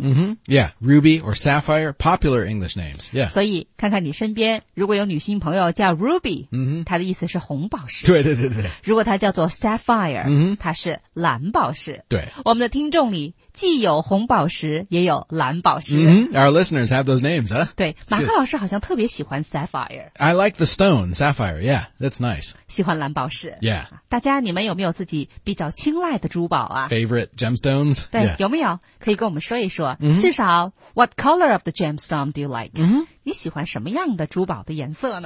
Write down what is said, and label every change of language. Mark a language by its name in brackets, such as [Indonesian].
[English] Mm-hmm. Yeah, Ruby or Sapphire, popular English names. Yeah. [Chinese] 所以看看你身边如果有女性朋友叫 Ruby,、 mm-hmm. 她的意思是红宝石。对对对对。如果她叫做 Sapphire,、 mm-hmm. 她是蓝宝石。对。我们的听众里既有红宝石也有蓝宝石。 [English] Mm-hmm. Our listeners have those names, huh? [Chinese] 对马克老师好像特别喜欢 Sapphire. [English] I like the stone, Sapphire, yeah, that's nice. [Chinese] 喜欢蓝宝石。 [English] Yeah. [Chinese] 大家你们有没有自己比较青睐的珠宝啊 [English] ?Favorite gemstones? [Chinese] 对、 [English] yeah. [Chinese] 有没有可以跟我们说一说、 mm-hmm. 至少 , [English] what color of the gemstone do you like?、 Mm-hmm. [Chinese] 你喜欢什么样的珠宝的颜色呢